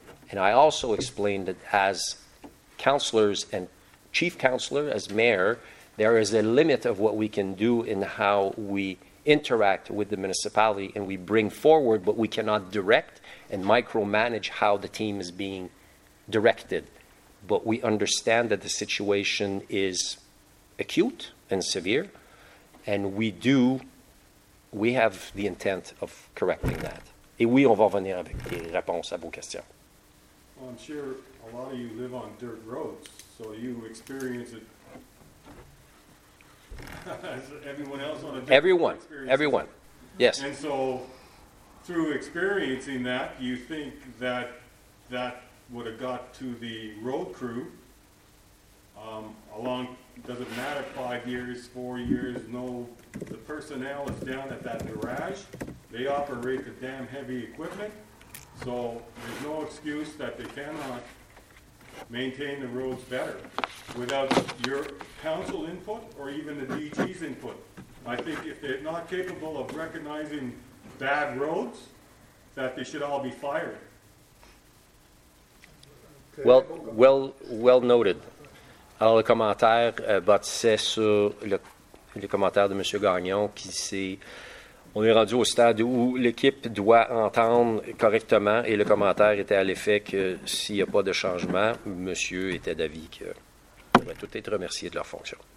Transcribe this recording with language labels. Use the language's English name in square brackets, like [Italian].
[English] And I also explained that as councillors and chief councillor, as mayor, there is a limit of what we can do in how we interact with the municipality and we bring forward, but we cannot direct and micromanage how the team is being directed. But we understand that the situation is acute and severe, and we have the intent of correcting that. [French] Et oui, on va venir avec des réponses à vos questions. [English] Well, I'm sure a lot of you live on dirt roads, so you experience it as everyone else on a dirt everyone, road everyone, it. Yes. And so through experiencing that, you think that that would have got to the road crew along, does it matter 5 years, 4 years, no, the personnel is down at that garage, they operate the damn heavy equipment. So there's no excuse that they cannot maintain the roads better without your council input or even the DG's input. I think if they're not capable of recognizing bad roads, that they should all be fired. Well noted. [French] Alors le commentaire bâtissait sur le commentaire de M. Gagnon qui s'est... On est rendu au stade où l'équipe doit entendre correctement et le commentaire était à l'effet que s'il n'y a pas de changement, monsieur était d'avis qu'on devrait tout être remercié de leur fonction.